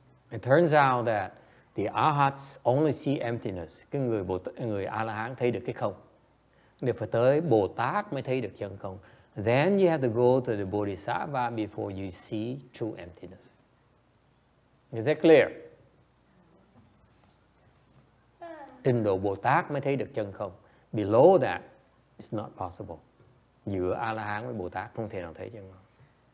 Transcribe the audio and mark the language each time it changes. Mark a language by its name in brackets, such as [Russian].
[English] It turns out that the arhats only see emptiness. [Vietnamese] Cái người Bồ Tát, người A-la-hán thấy được cái không. Nếu phải tới Bồ Tát mới thấy được chân không. [English] Then you have to go to the Bodhisattva before you see true emptiness. Is that clear? [Vietnamese] Trình độ Bồ Tát mới thấy được chân không. [English] Below that, it's not possible. [Vietnamese] Giữa A-la-hán với Bồ Tát không thể nào thấy chân không.